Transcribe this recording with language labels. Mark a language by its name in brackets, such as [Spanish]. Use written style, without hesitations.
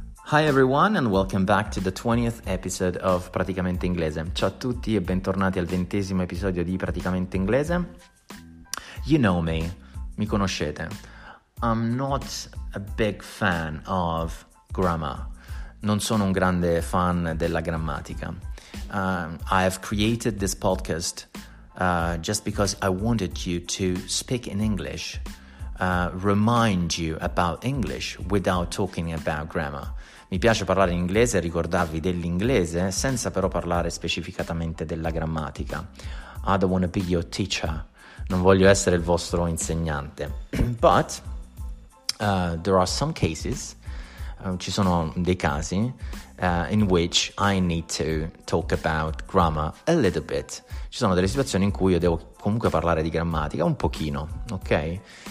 [English] Hi everyone and welcome back to the 20th episode of Praticamente Inglese. [Italian] Ciao a tutti e bentornati al 20° episodio di Praticamente Inglese. [English] You know me, [Italian] mi conoscete. [English] I'm not a big fan of grammar. [Italian] Non sono un grande fan della grammatica. [English] I have created this podcast just because I wanted you to speak in English, remind you about English without talking about grammar. [Italian] Mi piace parlare in inglese e ricordarvi dell'inglese senza però parlare specificatamente della grammatica. [English] I don't want to be your teacher. [Italian] Non voglio essere il vostro insegnante. [English] But there are some cases, [Italian] ci sono dei casi, [English] in which I need to talk about grammar a little bit. [Italian] Ci sono delle situazioni in cui io devo comunque parlare di grammatica un pochino, ok?